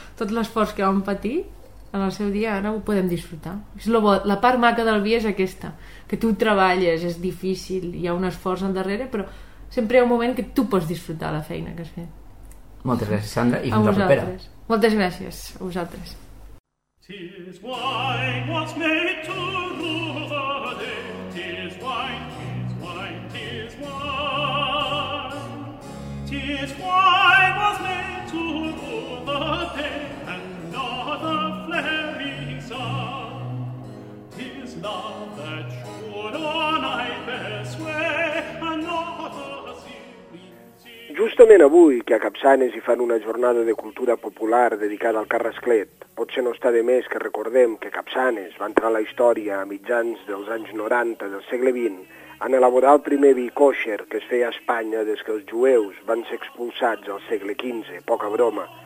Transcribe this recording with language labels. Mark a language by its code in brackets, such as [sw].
[ca] Tot l'esforç que vam patir en el seu dia, ara ho podem disfrutar. La part maca del vi és aquesta, que tu treballes, és difícil, hi ha un esforç al darrere, però sempre hi ha un moment que tu pots disfrutar la feina que has fet. Moltes gràcies, Sandra, i fins la propera. Moltes gràcies a vosaltres. [en] Tis wine, what's made to rule the day. Tis wine, tis wine, tis wine. Tis wine, what's made to rule the day. And not the flaring sun. Tis love that should on either sway. And not the [ca] justament avui, que a Capçanes hi fan una jornada de cultura popular dedicada al Carrasclet, potser no està de més que recordem que Capçanes va entrar a la història a mitjans dels anys 90 del segle XX en elaborar el primer vi kosher que es feia a Espanya des que els jueus van ser expulsats al segle XV, poca broma.